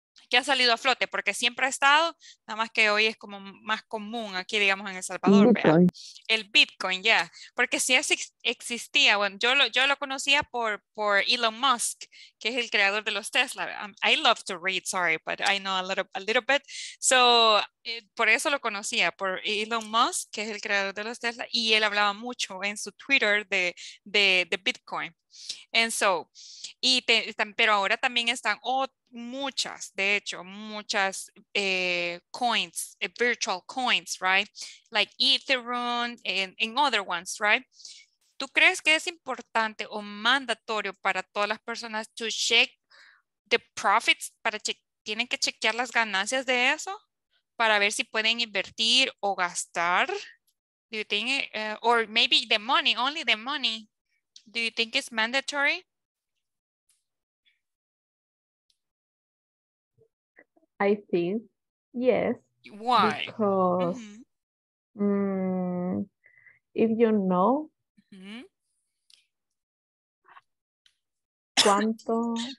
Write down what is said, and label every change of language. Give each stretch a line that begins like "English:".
Spanish: que ha salido a flote, porque siempre ha estado, nada más que hoy es como más común aquí, digamos, en El Salvador. El Bitcoin, ya. Yeah. Porque sí existía. Bueno, yo lo conocía por Elon Musk, que es el creador de los Tesla.
English: I love to read, sorry, but I know a little bit.
Spanish: So, por eso lo conocía, por Elon Musk, que es el creador de los Tesla, y él hablaba mucho en su Twitter de Bitcoin. And so, pero ahora también están muchas, de hecho, muchas coins,
English: virtual coins, right? Like Ethereum and other ones, right?
Spanish: ¿Tú crees que es importante o mandatorio para todas las personas
English: to check the profits?
Spanish: ¿Tienen que chequear las ganancias de eso para ver si pueden invertir o gastar?
English: Do you think, or maybe the money, only the money. Do you think it's mandatory? I think yes. Why? Because if you know cuánto,